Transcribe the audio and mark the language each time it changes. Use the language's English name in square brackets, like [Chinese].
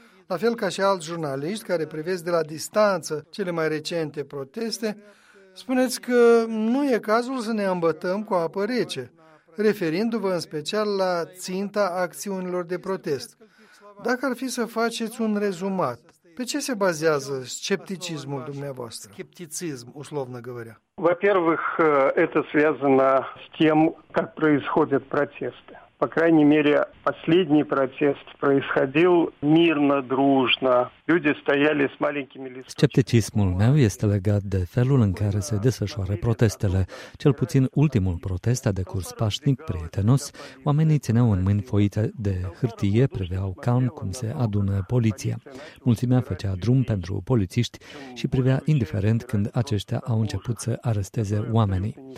[Romanian] La fel ca și alți jurnaliști care privesc de la distanță cele mai recente proteste, spuneți că nu e cazul să ne îmbătăm cu apă rece, referindu-vă în special la ținta acțiunilor de protest. Dacă ar fi să faceți un rezumat, pe ce se bazează scepticismul dumneavoastră? [Russian] Скептицизм, условно говоря. Во-первых, это связано с тем, как происходят протесты. По крайней мере, последний протест происходил мирно, дружно. Люди стояли с маленькими листочками. [Romanian] Скептицизмul meu este legat de felul în care se desfășoară protestele. Cel puțin ultimul protest a decurs pașnic, prietenos. Oamenii țineau în mâini foițe de hârtie, priveau calm cum se adună poliția. Mulțimea făcea drum pentru polițiști și privea indiferent când aceștia au început să aresteze oamenii.